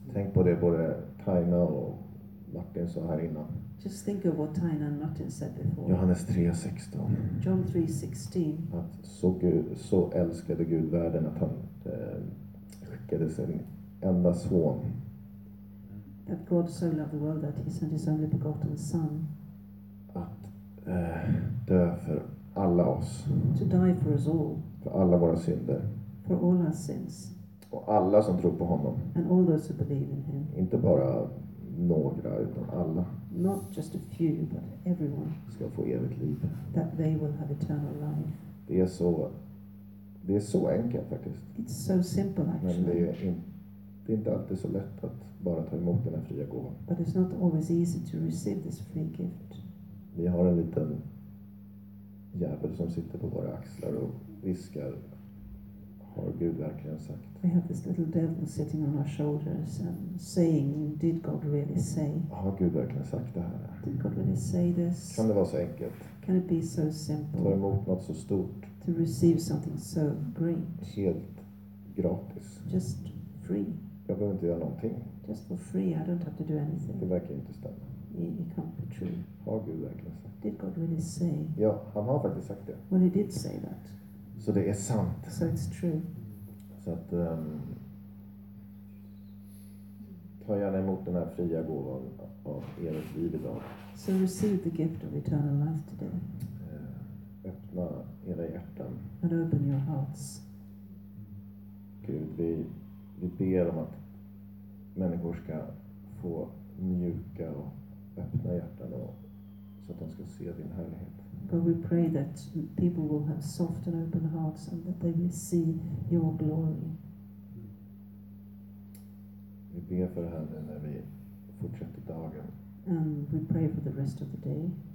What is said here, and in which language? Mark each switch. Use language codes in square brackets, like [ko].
[sv] Tänk på det både Taina och Martin sa här innan. [en] Just think of what Taina and Martin said before. [sv] Johannes 3:16. [en] John 3:16. [sv] Att så älskade Gud världen att han skickade sin enda son. [en] That God so loved the world that he sent his only begotten son. [sv] Att dö för alla oss. [en] To die for us all. [sv] För alla våra synder. [en] For all our sins. [sv] Och alla som tror på honom. [en] And all those who believe in him. [sv] Inte bara några utan alla. [en] Not just a few, but everyone. [sv] Ska få evigt liv. [en] That they will have eternal life. [sv] Det är så enkelt faktiskt. [en] It's so simple actually. [sv] Men det är inte alltid så lätt att bara ta emot den här fria gåvan. [en] But it's not always easy to receive this free gift. [sv] Vi har en liten djävul som sitter på våra axlar och viskar. Har Gud verkligen sagt? [en] We have this little devil sitting on our shoulders and saying, did God really say? [sv] Har Gud verkligen sagt det här? [en] Did God really say this? [sv] Kan det vara så enkelt? [en] Can it be so simple? [sv] Ta emot något så stort. [en] To receive something so great. [sv] Helt gratis. [en] Just free. [sv] Jag behöver inte göra någonting. [en] Just for free, I don't have to do anything. [sv] Det verkar inte stämma. [en] It can't be true. [sv] Har Gud verkligen sagt? [en] Did God really say? [sv] Ja, han har faktiskt sagt det. [en] Well, he did say that. [sv] Så det är sant. [en] So it's true. [sv] Så att ta gärna emot den här fria gåvan av evigt liv idag. [en] So receive the gift of eternal life today. [sv] Öppna era hjärtan. [en] And open your hearts. [sv] Gud, vi ber om att människor ska få mjuka och öppna hjärtan och så att de ska se din härlighet. [en] God, we pray that people will have soft and open hearts and that they will see your glory. [sv] Vi ber för det här nu när vi fortsätter dagen. [en] And we pray for the rest of the day.